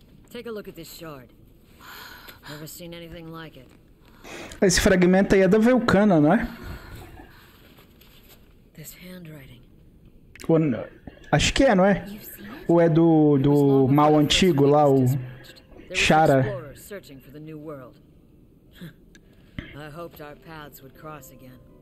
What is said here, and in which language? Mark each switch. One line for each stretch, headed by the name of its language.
English: Take a look at this shard. Never seen anything like it.
Portuguese: Esse fragmento aí é da Vulcana, não é?
English: This handwriting.
Portuguese: Acho que é, não é? Ou é do mal antigo lá, o Shara.
English: Searching for the new world. I hoped our paths would cross again.